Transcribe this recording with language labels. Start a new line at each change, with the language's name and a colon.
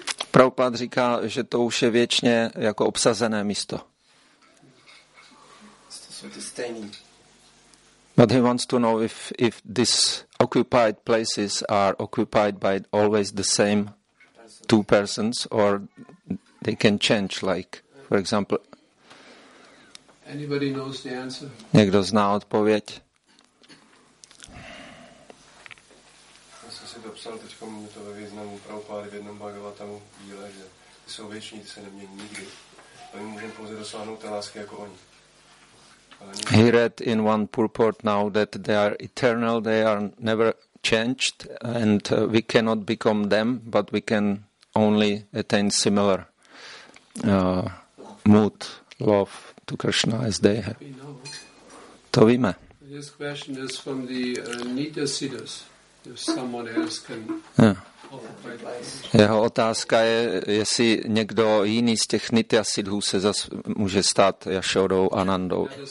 Czech: Prabhupada říká, že to už je věčně jako obsazené místo.
English: But he wants to know if these occupied places are occupied by always the same two persons, or they can change, like, for example... Anybody knows the answer?
Czech: Někdo zná odpověď? Já jsem si to psal, teďka mě to ve významu Prabhupády v jednom Bhagavatamu díle, že ty jsou věční, ty se nemění nikdy. A my můžeme pouze dosáhnout té lásky jako oni.
English: He read in one purport now that they are eternal, they are never changed, and we cannot become them, but we can only attain similar mood, love to Krishna as they have.
Czech: To víme.
English: This question is from the Nitya Siddhas, if someone else can... Yeah.
Czech: Jeho otázka je, jestli někdo jiný z těch Nitya Siddhů se zas může stát Yashodou a Nandou.